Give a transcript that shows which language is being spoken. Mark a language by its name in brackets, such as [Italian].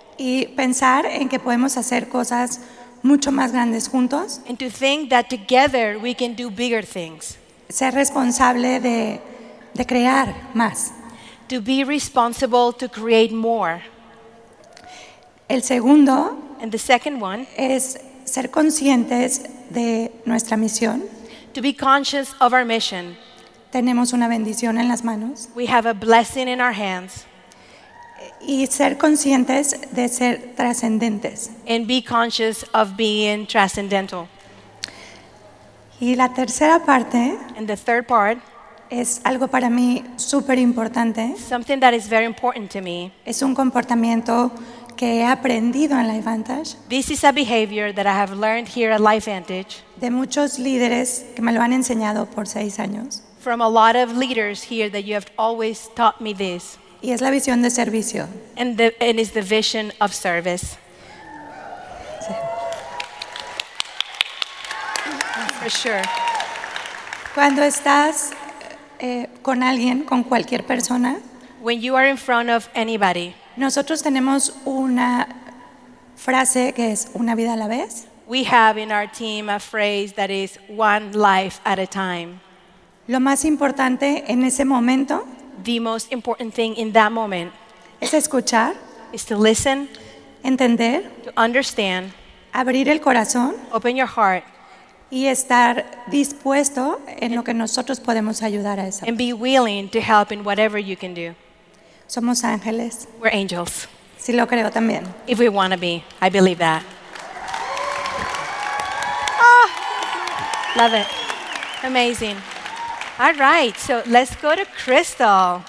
[Spanish] Y pensar en que podemos hacer cosas mucho más grandes juntos. [English] And to think that together we can do bigger things. [Spanish] Ser responsable de crear más. [English] To be responsible to create more. [Spanish] El segundo. [English] And the second one. [Spanish] Es ser conscientes de nuestra misión. [English] To be conscious of our mission. [Spanish] Tenemos una bendición en las manos. [English] We have a blessing in our hands. [Spanish] Y ser conscientes de ser trascendentes. [English] And be conscious of being transcendental. [Spanish] Y la tercera parte. [English] And the third part. [Spanish] Es algo para mí súper importante. [English] Something that is very important to me. [Spanish] Es un comportamiento que he aprendido en LifeVantage. [English] This is a behavior that I have learned here at LifeVantage. [Spanish] De muchos líderes que me lo han enseñado por 6 años. [English] From a lot of leaders here that you have always taught me this. [Spanish] Y es la visión de servicio. [English] And is the vision of service. [Spanish] Sí. [English] For sure. [Spanish] Cuando estás con alguien, con cualquier persona. [English] When you are in front of anybody. [Spanish] Nosotros tenemos una frase que es una vida a la vez. [English] We have in our team a phrase that is one life at a time. [Spanish] Lo más importante en ese momento, [English] the most important thing in that moment, [Spanish] es escuchar, [English] is to listen, [Spanish] entender, [English] to understand, [Spanish] abrir el corazón, [English] open your heart, [Spanish] y estar dispuesto en lo que nosotros podemos ayudar a esa. [English] And be willing to help in whatever you can do. [Spanish] Somos ángeles. [English] We're angels. [Spanish] Sí, lo creo también. [English] If we want to be, I believe that. Oh, love it. Amazing. All right, so let's go to Crystal.